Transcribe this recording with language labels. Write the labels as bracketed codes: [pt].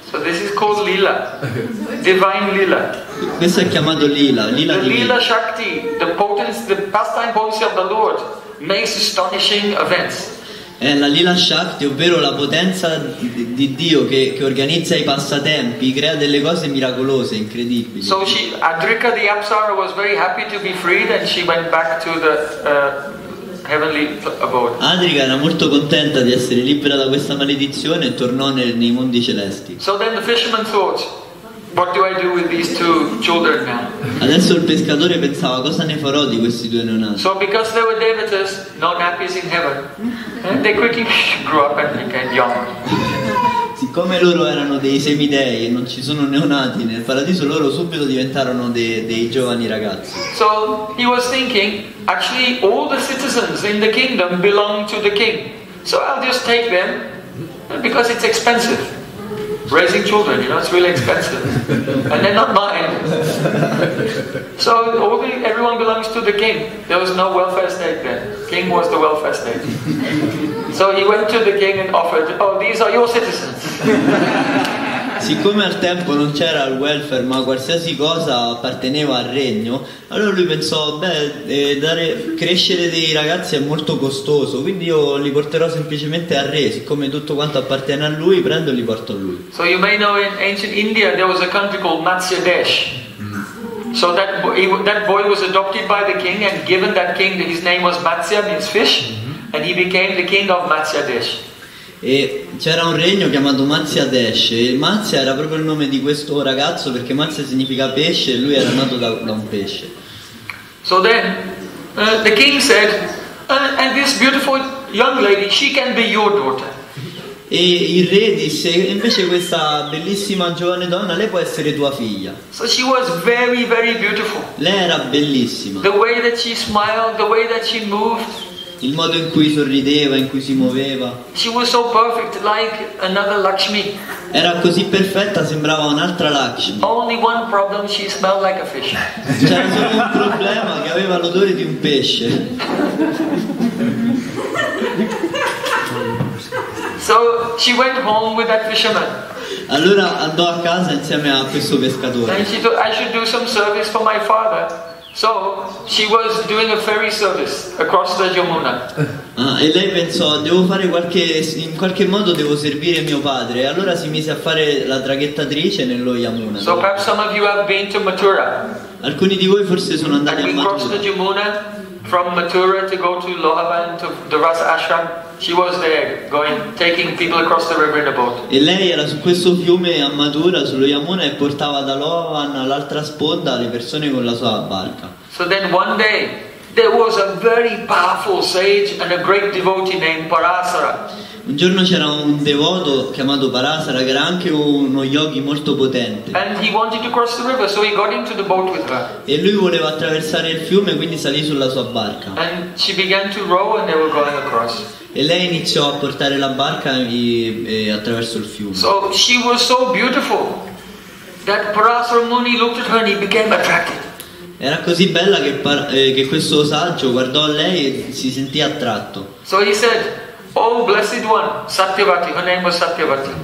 [en] So this is called Lila, divine Lila. [it] Questo è chiamato Lila, Lila [en] di Lila Shakti, the potency, the pastime potency of the Lord makes astonishing events. [it] È la Lila Shakti, ovvero la potenza di Dio che organizza i passatempi, crea delle cose miracolose, incredibili. [en] So she, Adrika the Apsara was very happy to be freed and she went back to the heavenly abode. [it] Adrika era molto contenta di essere libera da questa maledizione e tornò nei mondi celesti. [en] So then the fisherman thought, what do I do with these two children now? [it] Adesso il pescatore pensava, cosa ne farò di questi due neonati? [en] So because they were devatas, no nappies in heaven. And they quickly grew up and became young. [it] Siccome loro erano dei semidei e non ci sono neonati nel paradiso, loro subito diventarono dei giovani ragazzi. [en] So he was thinking, actually all the citizens in the kingdom belong to the king. So I'll just take them because it's expensive. Raising children, you know, it's really expensive. And they're not mine. So everyone belongs to the king. There was no welfare state then. King was the welfare state. So he went to the king and offered, oh, these are your citizens. [it] Siccome al tempo non c'era il welfare, ma qualsiasi cosa apparteneva al regno, allora lui pensò, crescere dei ragazzi è molto costoso, quindi io li porterò semplicemente al re, siccome tutto quanto appartiene a lui, prendo e li porto a lui. [en] So you may know in ancient India there was a country called Matsya Desh. So that boy was adopted by the king and given that king, his name was Matsya, means fish, and he became the king of Matsya Desh. [it] E c'era un regno chiamato Matsya Desh e Matsya era proprio il nome di questo ragazzo perché Matsya significa pesce e lui era nato da un pesce. [en] So then the king said and this beautiful young lady, she can be your daughter. [it] E il re disse invece questa bellissima giovane donna, lei può essere tua figlia. [en] So she was very very beautiful. [it] Lei era bellissima. [en] The way that she smiled, the way that she moved. [it] Il modo in cui sorrideva, in cui si muoveva. [en] She was so perfect, like another Lakshmi. [it] Era così perfetta, sembrava un'altra Lakshmi. [en] Only one problem, she smelled like a fish. [it] C'era solo un problema, che aveva l'odore di un pesce. [en] So she went home with that fisherman. [it] Allora andò a casa insieme a questo pescatore. [en] And she thought, I should do some service for my father. So she was doing a ferry service across the Yamuna. [it] Ah, e lei pensò, devo fare in qualche modo devo servire mio padre. Allora si mise a fare la traghettatrice nello Yamuna. [en] So perhaps some of you have been to Mathura. [it] Alcuni di voi forse sono andati a Mathura. [en] And we crossed the Yamuna from Mathura to go to Lohaban to the Ras Ashram. She was there going, taking people across the river in a boat. [it] E lei era su questo fiume a Mathura, sullo Yamuna, e portava da Lohaban all'altra sponda le persone con la sua barca. [en] So then one day there was a very powerful sage and a great devotee named Parasara. [it] Un giorno c'era un devoto chiamato Parasara che era anche uno yogi molto potente. [en] And he wanted to cross the river, so he got into the boat with her. [it] E lui voleva attraversare il fiume, quindi salì sulla sua barca. [en] And she began to row and they were going across. [it] E lei iniziò a portare la barca attraverso il fiume. [en] So she was so beautiful that Parasara Muni looked at her and he became attracted. [it] Era così bella che questo saggio guardò a lei e si sentì attratto. [en] So he said, oh blessed one, Satyavati, her name was Satyavati.